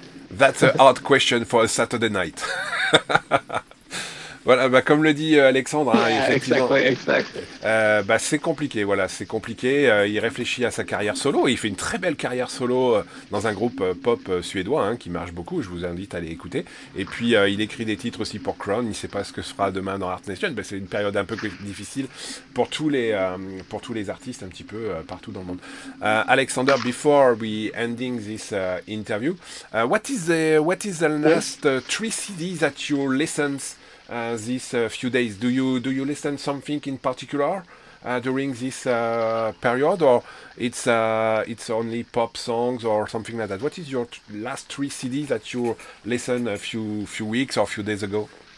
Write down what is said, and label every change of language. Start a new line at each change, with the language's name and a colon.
English: that's a hard question for a Saturday night.
French: Voilà, bah comme le dit Alexandre, hein, effectivement, bah c'est compliqué, voilà, c'est compliqué. Il réfléchit à sa carrière solo, il fait une très belle carrière solo dans un groupe pop suédois, hein, qui marche beaucoup, je vous invite à aller écouter. Et puis il écrit des titres aussi pour Crown, il ne sait pas ce que sera demain dans Art Nation, bah, c'est une période un peu difficile pour tous les artistes un petit peu partout dans le monde.
English: Alexander, before we ending this interview, what is the last three CDs at your lessons? These few days, do you listen something in particular during this period, or it's only pop songs or something like that? What is your last three CDs that you listened a few weeks or a few days ago?